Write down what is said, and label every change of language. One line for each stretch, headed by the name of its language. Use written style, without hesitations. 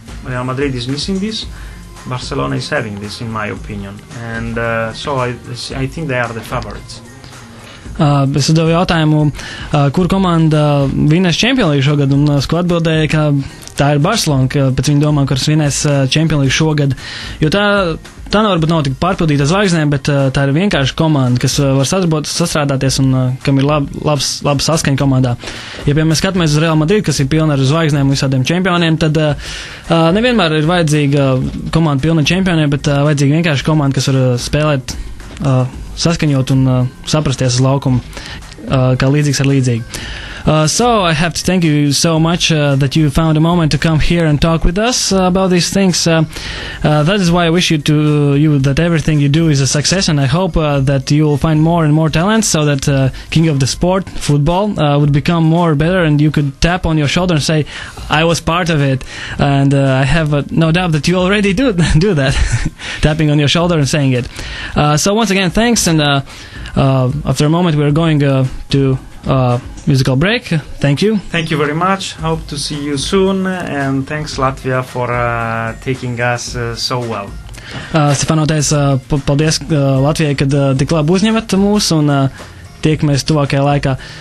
English: Real Madrid is missing this, Barcelona is having this, in my opinion. And so I think they are the favorites.
Latvian: Es uzdevu jautājumu, kur komanda vinnēs Champions League šogad, un es atbildēju, ka tā ir Barcelona, ka pēc viņa domā, kuras vinnēs Champions League šogad, jo tā varbūt nav tik pārpildīta zvaigznē, bet tā ir vienkārši komanda, kas var sastrādāties un kam ir labs saskaņa komandā. Ja piemēram mēs skatāmies uz Real Madrid, kas ir pilna ar zvaigznēm un visādiem čempioniem, tad nevienmēr ir vajadzīga komanda pilna čempioniem, bet vajadzīga vienkārši komanda, kas var spēlēt saskaņot un saprasties uz laukumu, kā līdzīgs ar līdzīgi.
English: So I have to thank you so much that you found a moment to come here and talk with us about these things. That is why I wish you that everything you do is a success, and I hope that you will find more and more talents so that king of the sport, football, would become more better, and you could tap on your shoulder and say, I was part of it, and I have no doubt that you already do that, tapping on your shoulder and saying it. So once again, thanks, and after a moment we're going to musical break. Thank you very much. Hope to see you soon, and thanks Latvia for taking us so well.
Latvian: Stefano teica, paldies Latvijai, kad tik labi uzņemat mūs un tiekamies tuvākajā laikā.